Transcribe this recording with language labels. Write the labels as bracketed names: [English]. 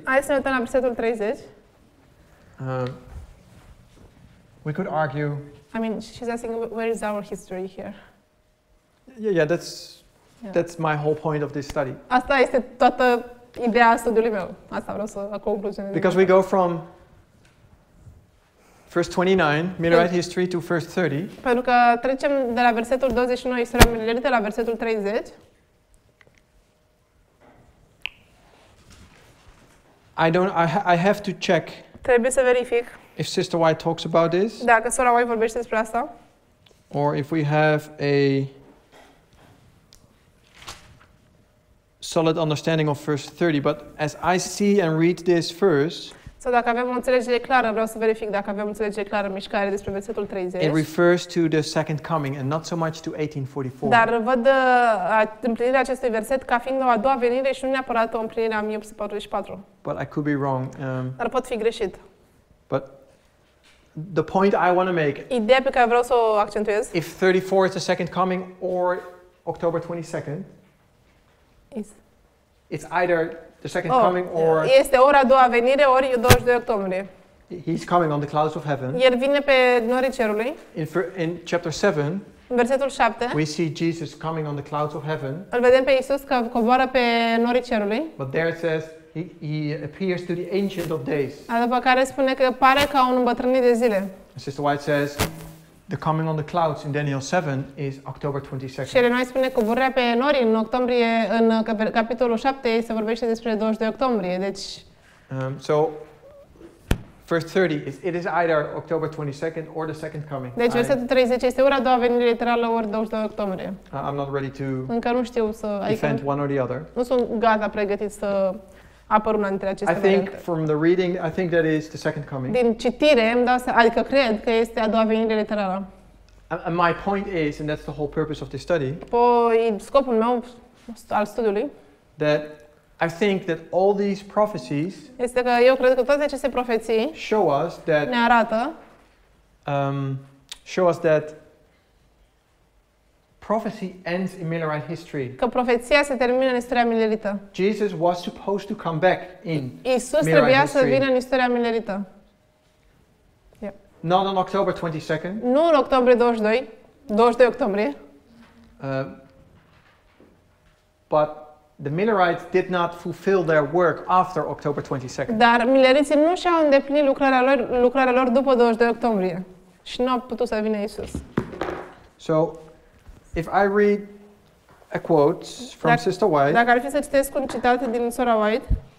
[Romanian] Hai să ne uităm la versetul 30. [English] We could argue. I mean, she's asking where is our history here? Yeah, that's my whole point of this study. [Romanian] Asta este toată ideea studiului meu. Asta vreau să concluzionez. [English] Because we go from first 29, Millerite history, to first 30. [Romanian] Pentru că trecem de la versetul 29, istoria Millerită, la versetul 30. [English] I have to check. [Romanian] Trebuie să verific. [English] If Sister White talks about this. [Romanian] Dacă Sora White vorbește despre asta. [English] Or if we have a solid understanding of verse 30, but as I see and read this first, [Romanian] so dacă avem o înțelegere clară, vreau să verific dacă avem o înțelegere clară mișcare despre versetul 30. [English] It refers to the second coming and not so much to 1844. [Romanian] Dar văd împlinirea acestui verset ca fiind o a doua venire și nu neapărat o împlinire a 1844. [English] But I could be wrong. [Romanian] Dar pot fi greșit. [English] But the point I want to make, [Romanian] ideea pe care vreau să o accentuez, [English] if 34 is the second coming or October 22nd, it's either the second coming or [Romanian] este ora a doua venire ori 22 octombrie. [English] He's coming on the clouds of heaven. [Romanian] El vine pe norii cerului. [English] In chapter 7. [Romanian] În versetul 7. [English] We see Jesus coming on the clouds of heaven. [Romanian] Îl vedem pe Iisus că coboară pe norii cerului. [English] But there it says he appears to the Ancient of Days. [Romanian] După care spune că pare ca un îmbătrânit de zile. [English] This is why it says the coming on the clouds in Daniel 7 is October 22nd. [Romanian] Și Ellen White spune că vorbea pe nori în octombrie, în capitolul 7 se vorbește despre 22 octombrie. Deci [English] so verse 30 is it is either October 22nd or the second coming. [Romanian] Deci versetul 30 este ora a doua venire literală ori 22 octombrie. [English] I'm not ready to. [Romanian] Încă nu știu să [English] defend one or the other. [Romanian] Nu sunt gata pregătit să apar una dintre aceste variante. [English] I think from the reading I think that is the second coming. [Romanian] Din citire îmi dau seama, adică cred că este a doua venire literală. [English] And my point is, and that's the whole purpose of this study. [Romanian] Păi, scopul meu al studiului. [English] That I think that all these prophecies [Romanian] este că eu cred că toate aceste profeții [English] show us that [Romanian] ne arată [English] show us that prophecy ends in millerite history. [Romanian] Că profeția se termină în istoria millerită. [English] Jesus was supposed to come back in. [Romanian] Iisus trebuia să vină în istoria millerită. [English] Yeah. Not on October 22nd. [Romanian] Nu în octombrie 22. 22 octombrie. [English] But the millerites did not fulfill their work after October 22nd. [Romanian] Dar millerii nu și-au îndeplinit lucrarea lor după 22 octombrie. Și nu a putut să vină Iisus. [English] So if I read a quote from Sister White, [Romanian] dacă ar fi să citesc un citat din Sora White,